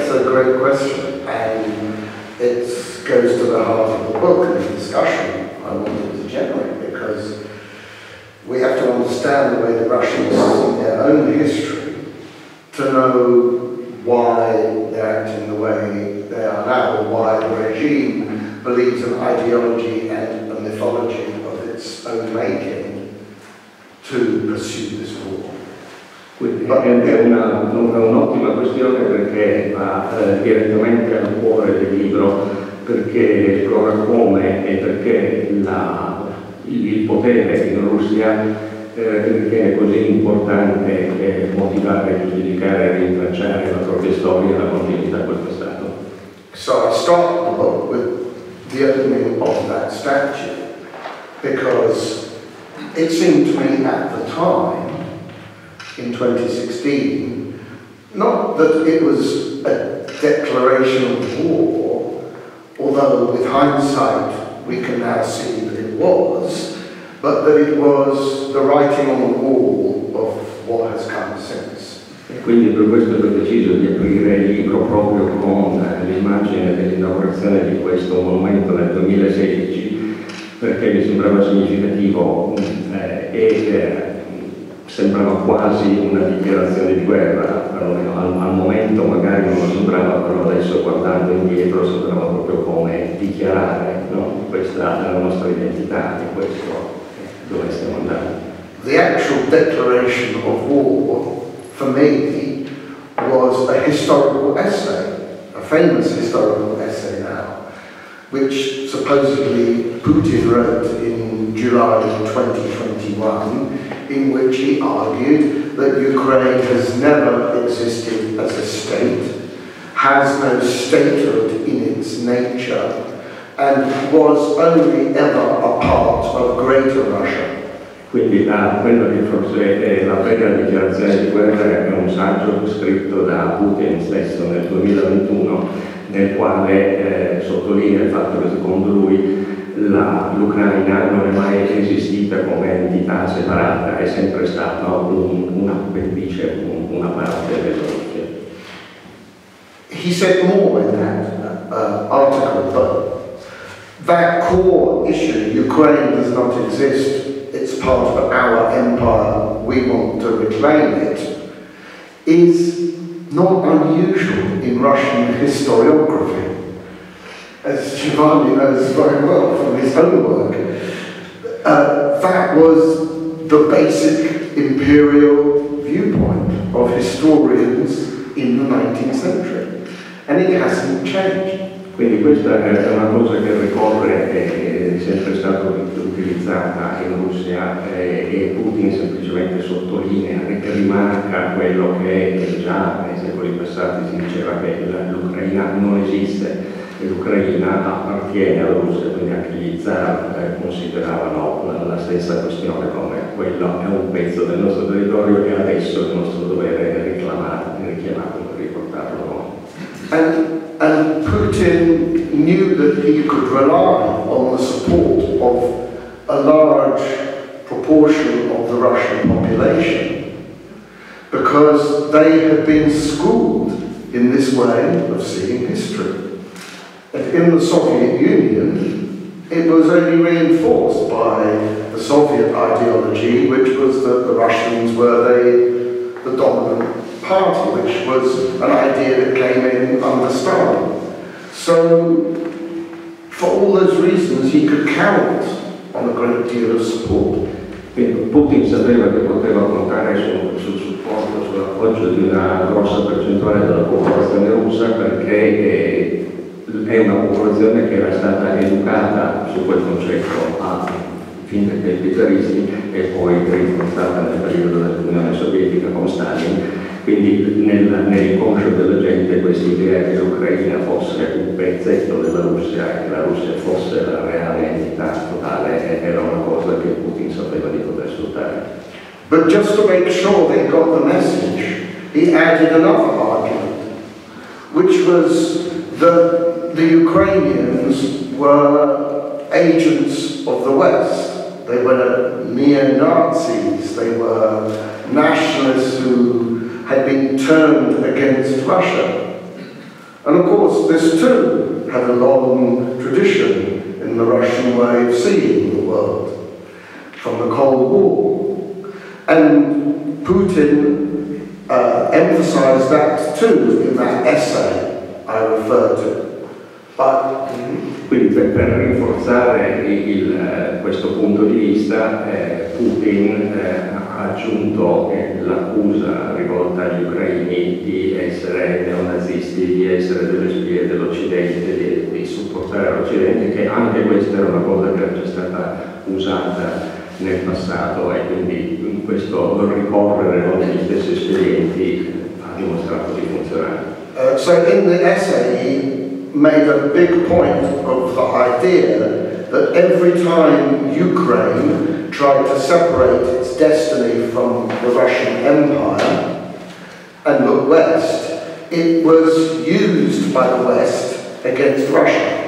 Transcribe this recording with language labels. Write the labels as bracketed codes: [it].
[en] Great question, and it goes to the heart of the book and the discussion I wanted to generate, because we have to understand the way the Russians see their own history to know why they're acting the way they are now, or why the regime believes an ideology and a mythology of its own making to pursue this war. [it] Quindi è un'ottima questione, perché va direttamente al cuore del libro, perché esplora come e perché il potere in Russia perché è così importante motivare, giudicare e rintracciare la propria storia e la continuità col passato. [en] So I start the book with the opening of that statue, because it seemed to me at the time in 2016, not that it was a declaration of war, although with hindsight we can now see that it was, but that it was the writing on the wall of what has come since. [it] E quindi per questo ho deciso di aprire il libro proprio con l'immagine dell'inaugurazione di questo monumento nel 2016, perché mi sembrava significativo e sembrava quasi una dichiarazione di guerra, perlomeno al momento magari non lo sembrava, però adesso guardando indietro sembrava proprio come dichiarare, no? Questa è la nostra identità e questo dove stiamo andando. [en] The actual declaration of war for me was a historical essay, a famous historical essay now, which supposedly Putin wrote in July 2021, in which he argued that Ukraine has never existed as a state, has no statehood in its nature, and was only ever a part of Greater Russia. [it] Quindi quello che forse è la prima dichiarazione di guerra è un saggio scritto da Putin stesso nel 2021, nel quale sottolinea il fatto che secondo lui l'Ucraina non è mai esistita come entità separata, è sempre stata una pendice, una parte della Russia. [en] He said more in that article, but that core issue, Ukraine does not exist, it's part of our empire, we want to reclaim it, is not unusual in Russian historiography. As Giovanni knows very well from his own work, that was the basic imperial viewpoint of historians in the 19th century, and it hasn't changed. [it] Quindi questa è una cosa che ricorre e sempre stata utilizzata in Russia e Putin semplicemente sottolinea e rimarca quello che già nei secoli passati si diceva, che l'Ucraina non esiste, l'Ucraina appartiene alla Russia, quindi anche gli zar consideravano la stessa questione come quello è un pezzo del nostro territorio e adesso il nostro dovere è richiamarlo, riportarlo noi. [en] And Putin knew that he could rely on the support of a large proportion of the Russian population, because they had been schooled in this way of seeing history. And in the Soviet Union, it was only reinforced by the Soviet ideology, which was that the Russians were the dominant party, which was an idea that came in under Stalin. So, for all those reasons, he could count on a great deal of support. [it] Putin sapeva che poteva contare sul supporto, sull'appoggio di una grossa percentuale della popolazione russa, perché è una popolazione che era stata educata su quel concetto fin dai tempi zaristi e poi rinforzata nel periodo dell'Unione Sovietica con Stalin. Quindi nell'inconscio della gente questa idea che l'Ucraina fosse un pezzetto della Russia e che la Russia fosse la reale entità totale era una cosa che Putin sapeva di poter sfruttare. [en] But just to make sure they got the message, he added another argument, which was that the Ukrainians were agents of the West. They were neo-Nazis, they were nationalists who had been turned against Russia. And of course, this too had a long tradition in the Russian way of seeing the world from the Cold War. And Putin emphasized that too in that essay I referred to. But [it] quindi per rinforzare questo punto di vista, Putin ha aggiunto l'accusa rivolta agli ucraini di essere neonazisti, di essere delle spie dell'Occidente, di supportare l'Occidente, che anche questa era una cosa che era già stata usata nel passato e quindi questo ricorrere con gli stessi esperienti ha dimostrato di funzionare. [en] So in the essay he made a big point of the idea that every time Ukraine tried to separate its destiny from the Russian Empire and look west, it was used by the West against Russia.